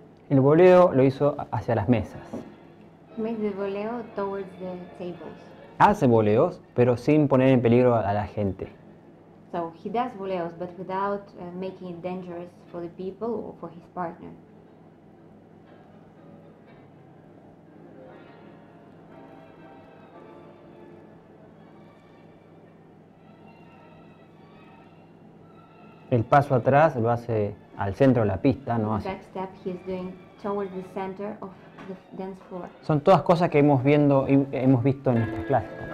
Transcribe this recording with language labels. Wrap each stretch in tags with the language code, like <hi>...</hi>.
<es>El voleo lo hizo hacia las mesas.</es> <en>Made the voleo towards the tables.</en> <es>Hace voleos, pero sin poner en peligro a la gente.</es> <en>So he does voleos, but without making it dangerous for the people or for his partner.</en> <es>El paso atrás lo hace al centro de la pista, ¿no?</es> <en>The back step he is doing towards the center of the dance floor.</en> <es>Son todas cosas que hemos visto en nuestras clases.</es>